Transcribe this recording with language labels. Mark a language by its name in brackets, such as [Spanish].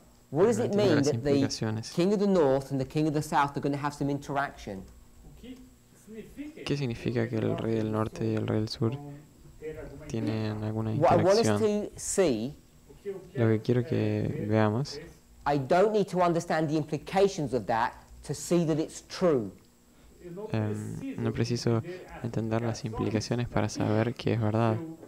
[English] What does it mean that the King of the North and the King of the South are going to have some interaction? [Spanish] ¿Qué significa que el rey del norte y el rey del sur tienen alguna interacción? [English] What I want us to see, [Spanish] lo que quiero que veamos, [English] I don't need to understand the implications of that to see that it's true. [Spanish] No preciso entender las implicaciones para saber que es verdad.